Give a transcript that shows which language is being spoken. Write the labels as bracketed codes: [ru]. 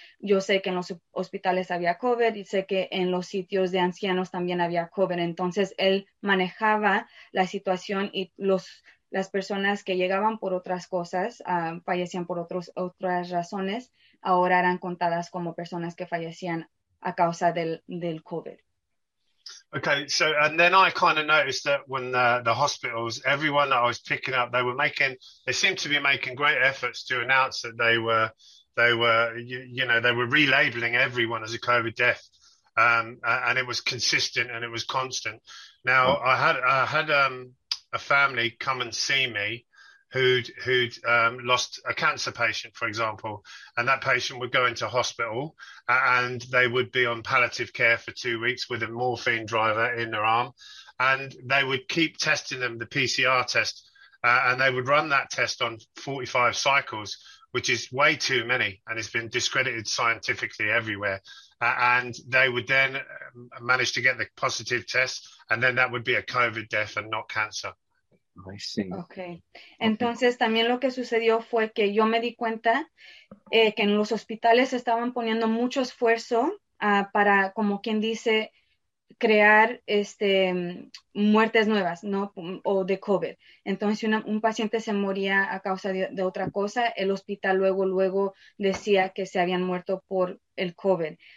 [es] Yo sé que en los hospitales había COVID y sé que en los sitios de ancianos también había COVID. Entonces él manejaba la situación y las personas que llegaban por otras cosas, fallecían por otras razones, ahora eran contadas como personas que fallecían a causa del COVID. [en] Okay, so and then I kind of noticed that when the hospitals, everyone that I was picking up, they seemed to be making great efforts to announce that they were they were relabeling everyone as a COVID death, and it was consistent and it was constant. Now I had a family come and see me who'd lost a cancer patient, for example, and that patient would go into hospital and they would be on palliative care for 2 weeks with a morphine driver in their arm, and they would keep testing them, the PCR test, and they would run that test on 45 cycles, which is way too many, and it's been discredited scientifically everywhere. And they would then manage to get the positive test, and then that would be a COVID death and not cancer. I see. Okay, Okay. [es] entonces también lo que sucedió fue que yo me di cuenta que en los hospitales estaban poniendo mucho esfuerzo para, como quien dice, crear muertes nuevas, ¿no? O de COVID. Entonces, si un paciente se moría a causa de otra cosa, el hospital luego decía que se habían muerto por el COVID.